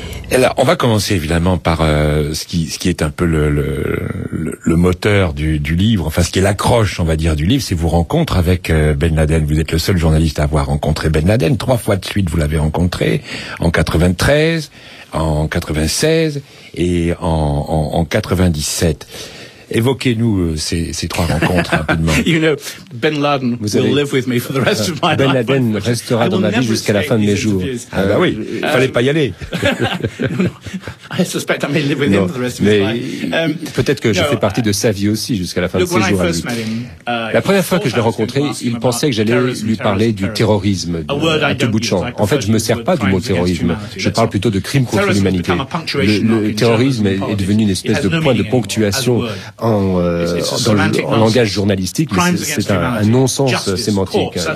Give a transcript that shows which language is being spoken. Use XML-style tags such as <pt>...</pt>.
<fr>Et là, on va commencer évidemment par ce qui est un peu le moteur du livre, enfin ce qui est l'accroche, on va dire, du livre, c'est vos rencontres avec Ben Laden. Vous êtes le seul journaliste à avoir rencontré Ben Laden. Trois fois de suite, vous l'avez rencontré, en 93, en 96 et en 97. Évoquez-nous ces trois rencontres rapidement.</fr> <en>You know, Ben Laden will live with me for the rest of my life.</en> <fr>Ben Laden restera dans ma vie jusqu'à la fin de mes jours. Ah bah oui, il fallait pas y aller.</fr> <en>I suspect I may live with him for the rest of my life.</en> <fr>Peut-être que je fais partie de sa vie aussi jusqu'à la fin de ses jours à lui. La première fois que je l'ai rencontré, il pensait que j'allais lui parler du terrorisme à tout bout de champ. En fait, je me sers pas du mot terrorisme. Je parle plutôt de crime contre l'humanité. Le terrorisme est devenu une espèce de point de ponctuation en langage journalistique, mais c'est un non-sens sémantique.</fr>